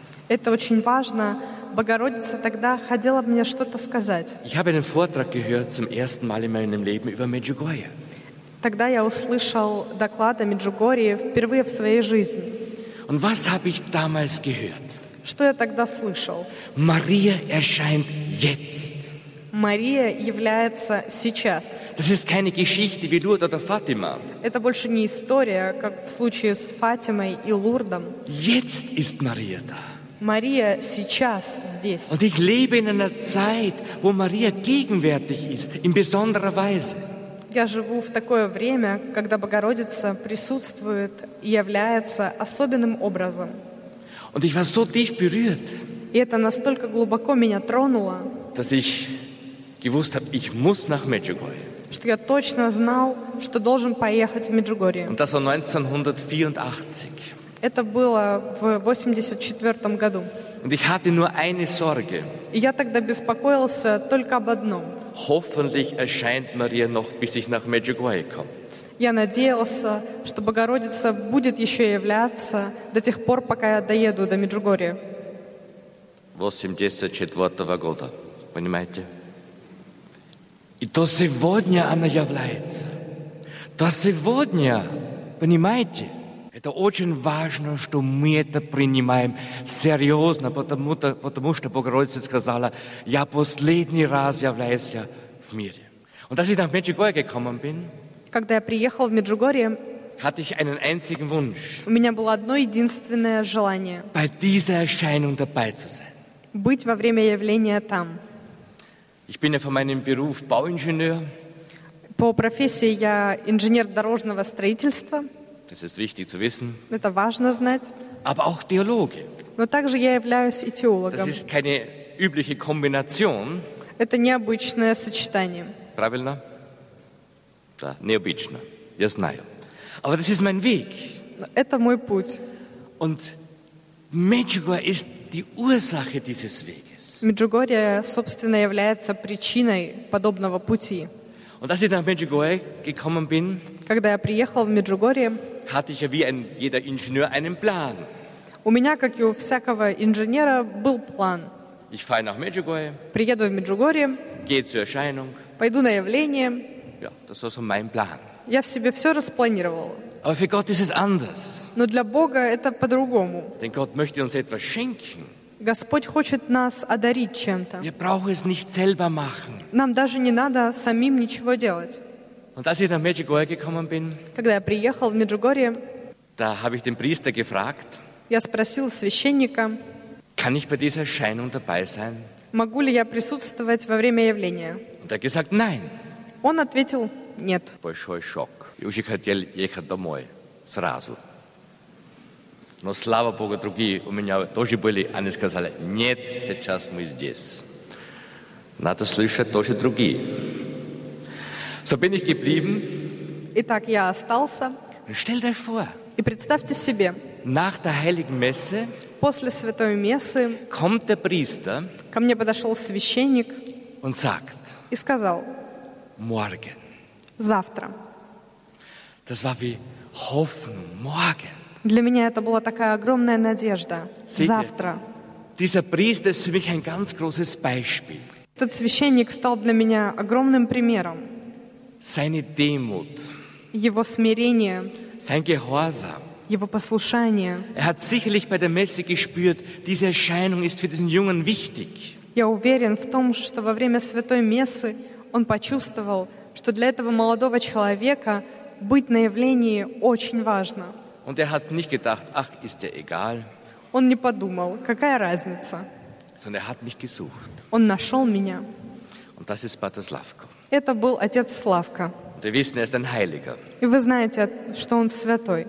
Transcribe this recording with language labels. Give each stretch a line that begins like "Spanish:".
Russian: Это очень важно. Богородица тогда хотела бы мне что-то сказать.
German: Ich habe einen Vortrag gehört zum ersten Mal in meinem Leben über Medjugorje.
Russian: Тогда я услышал доклад о Меджугорье впервые в своей жизни.
German: Und was habe ich damals gehört?
Russian: Что я тогда слышал?
German: Maria erscheint jetzt.
Russian: Мария является сейчас.
German: Das ist keine Geschichte wie Lourdes oder Fatima.
Russian: Это больше не история, как в случае с Фатимой и Лурдом.
German: Jetzt ist Maria da.
Russian: Мария сейчас здесь.
German: Und ich lebe in einer Zeit, wo Maria gegenwärtig ist, in besonderer Weise.
Russian: Я живу в такое время, когда Богородица присутствует и является особенным образом.
German: Und ich war so tief berührt.
Russian: И это настолько глубоко меня тронуло,
German: dass ich gewusst habe, ich muss nach Medjugorje.
Russian: Что я точно знал, что должен поехать в Меджугорье.
German: Und das war 1984.
Russian: Это было в 84 году.
German: Und ich hatte nur eine Sorge.
Russian: И я тогда беспокоился только об одном.
German: Hoffentlich erscheint Maria noch, bis ich nach Medjugorje kommt.
Russian: Я надеялся, что Богородица будет еще являться до тех пор, пока я доеду до Меджугорья. 84 года, понимаете? И то сегодня она является. То сегодня, понимаете? Это очень важно, что мы это принимаем серьезно, потому что Богородица сказала, я последний раз являюсь в мире.
German: Und als ich nach Medjugorje gekommen bin,
Russian: когда я приехал в Меджугорье,
German: hatte ich einen einzigen Wunsch,
Russian: у меня было одно единственное желание,
German: bei dieser Erscheinung dabei zu sein.
Russian: Быть во время явления там.
German: Ich bin ja von meinem Beruf Bauingenieur.
Russian: По профессии я инженер дорожного строительства.
German: Das ist wichtig zu wissen.
Russian: Это важно знать.
German: Aber auch Theologe.
Russian: Но также я являюсь и теологом.
German: Das ist keine übliche Kombination.
Russian: Это необычное сочетание. Правильно? Да, необычно. Я знаю.
German: Aber das ist mein Weg.
Russian: Это мой путь.
German: Und Medjugorje ist die Ursache dieses Weges.
Russian: Меджугорье, собственно, является причиной подобного пути.
German: Und als ich nach Medjugorje gekommen bin,
Russian: когда я приехал в Меджугорье,
German: hatte ich ja wie jeder Ingenieur einen Plan.
Russian: У меня, как и у всякого инженера, был план.
German: Ich fahre nach Medjugorje,
Russian: приеду в Меджугорье,
German: gehe zur Erscheinung,
Russian: пойду на явление.
German: Ja, das war so mein Plan.
Russian: Я в себе все распланировал.
German: Aber für Gott ist es anders.
Russian: Но для Бога это по-другому.
German: Denn Gott möchte uns etwas schenken.
Russian: Господь хочет нас одарить чем-то.
German: Wir brauchen es nicht selber machen.
Russian: Нам даже не надо самим ничего делать.
German: Und als ich nach Medjugorje gekommen bin,
Russian: когда я приехал в Меджугорье,
German: da habe ich den Priester gefragt,
Russian: я спросил священника,
German: kann ich bei dieser Erscheinung dabei sein?
Russian: Могу ли я присутствовать во время явления?
German: Und er gesagt, nein.
Russian: Он ответил, нет. Большой шок. И уже хотел ехать домой сразу. Но слава Богу, другие у меня тоже были, они сказали, нет, сейчас мы здесь. Надо слышать тоже другие.
German: So bin ich geblieben.
Russian: Итак, я остался.
German: Stell dir vor.
Russian: И представьте себе.
German: Nach der heiligen Messe.
Russian: После святой мессы.
German: Kommt der Priester.
Russian: Ко мне подошел священник.
German: Und sagt.
Russian: И сказал.
German: Morgen.
Russian: Завтра.
German: Das war wie Hoffnung. Morgen.
Russian: Для меня это была такая огромная надежда.
German: Seht
Russian: завтра.
German: Ihr? Dieser Priester ist für mich ein ganz großes Beispiel.
Russian: Этот священник стал для меня огромным примером.
German: Seine Demut,
Russian: его смирение,
German: sein Gehorsam,
Russian: его послушание.
German: Er hat sicherlich bei der Messe gespürt, diese Erscheinung ist für diesen Jungen wichtig.
Russian: Я уверен в том, что во время святой мессы он почувствовал, что для этого молодого человека быть на явлении очень важно.
German: Und er hat nicht gedacht, ach, ist ja egal.
Russian: Он не подумал, какая разница.
German: Sondern er hat mich gesucht.
Russian: Он нашел меня.
German: Und das ist Pater Slavko.
Russian: Это был отец Славко.
German: Und wir wissen, er ist ein Heiliger.
Russian: И вы знаете, что он святой.